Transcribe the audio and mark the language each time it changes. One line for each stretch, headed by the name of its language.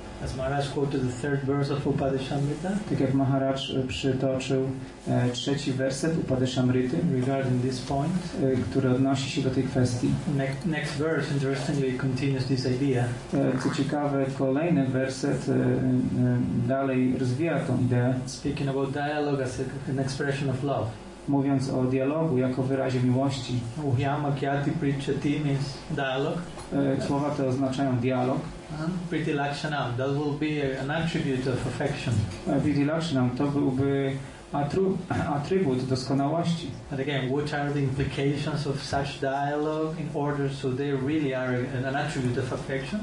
English: As Maharaj quoted the third verse of Upadeshamrita.
Polish: Tak jak Maharaj przytoczył trzeci werset Upadeshamrity
English: regarding this point,
Polish: który odnosi się do tej kwestii.
English: Next verse, interestingly, continues this idea.
Polish: Co ciekawe, kolejny werset dalej rozwija tą ideę.
English: Speaking about dialogue as an expression of love.
Polish: mówiąc o dialogu jako wyrazie miłości.
English: Uhyama kyati pritchati means dialog.
Polish: Słowa te oznaczają dialog.
English: Priti lakshanam, that will be an attribute of affection.
Polish: Priti lakshanam, to byłby atrybut doskonałości.
English: And again, what are the implications of such dialogue in order so they really are an attribute of affection?